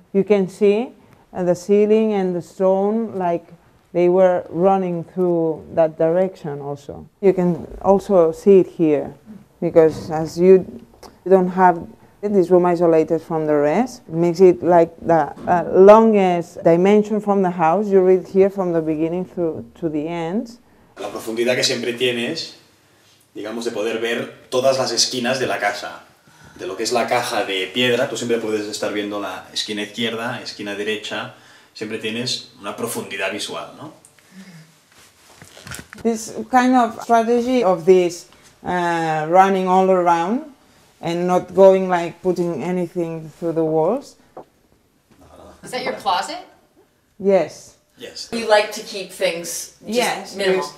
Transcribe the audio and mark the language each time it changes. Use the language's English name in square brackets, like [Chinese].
[English] You can see the ceiling and the stone, like they were running through that direction also. You can also see it here, because as you don't have this room isolated from the rest, it makes it like the longest dimension from the house. You read here from the beginning through to the end. [Spanish] La profundidad que siempre tienes, digamos, de poder ver todas las esquinas de la casa. De lo que es la caja de piedra, tú siempre puedes estar viendo la esquina izquierda, esquina derecha, siempre tienes una profundidad visual, ¿no? [English] This kind of strategy of this running all around and not going like putting anything through the walls. Is that your closet? Yes. Yes. You like to keep things just minimal.